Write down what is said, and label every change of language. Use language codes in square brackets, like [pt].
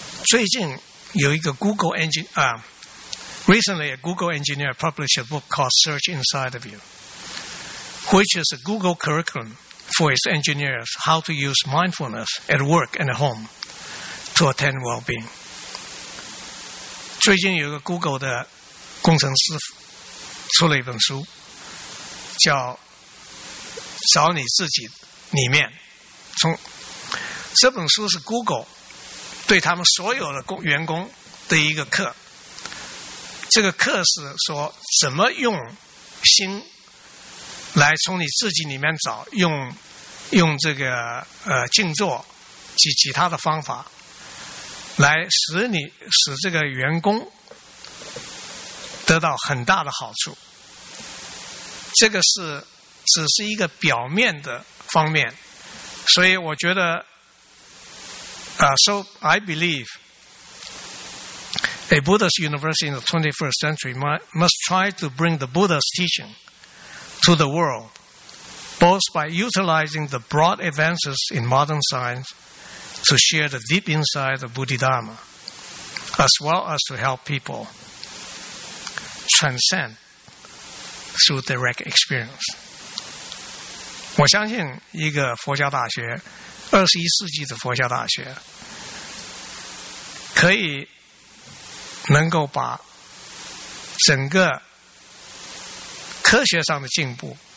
[zh] 最近有一个 [en] Google engine recently a Google engineer published a book called Search Inside of You, which is a Google curriculum for its engineers how to use mindfulness at work and at home to attain well-being. [zh] 最近有一个 Google 的工程师出了一本书叫找你自己里面，从这本书是 Google对他们所有的员工的一个课，这个课是说怎么用心来从你自己里面找，用这个静坐及其他的方法来使这个员工得到很大的好处。这个是只是一个表面的方面，所以我觉得 [en] So I believe a Buddhist university in the 21st century must try to bring the Buddha's teaching to the world, both by utilizing the broad advances in modern science to share the deep insight of Bodhidharma, as well as to help people transcend through direct experience. [zh] 我相信一个佛教大学，二十一世纪的佛教大学，可以能够把整个科学上的进步